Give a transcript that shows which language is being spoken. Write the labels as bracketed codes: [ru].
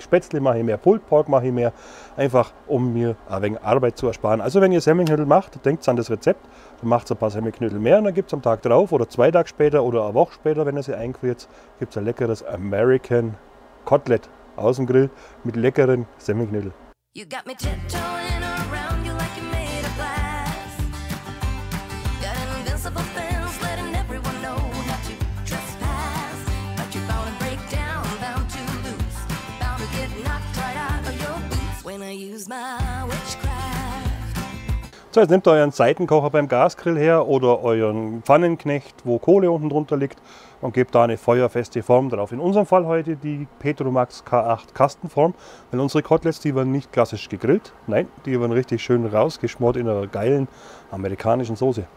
[de] Spätzle mache ich mehr, Pulled Pork mache ich mehr, einfach um mir ein wenig Arbeit zu ersparen. Also wenn ihr Semmelknödel macht, denkt an das Rezept, dann macht ein paar Semmelknödel mehr und dann gibt es am Tag drauf oder zwei Tage später oder eine Woche später, wenn ihr sie einfriert, gibt es ein leckeres American Kotelett aus dem Grill mit leckeren Semmelknödel. [en] You got me tiptoeing around you like you made a glass. Got an invincible fence letting everyone know not to trespass. But you're bound to break down, bound to lose. Bound to get knocked right out of your boots when I use my witchcraft. [de] So, jetzt nehmt euren Seitenkocher beim Gasgrill her oder euren Pfannenknecht, wo Kohle unten drunter liegt und gebt da eine feuerfeste Form drauf. In unserem Fall heute die Petromax K8 Kastenform, weil unsere Koteletts, die waren nicht klassisch gegrillt, nein, die waren richtig schön rausgeschmort in einer geilen amerikanischen Soße.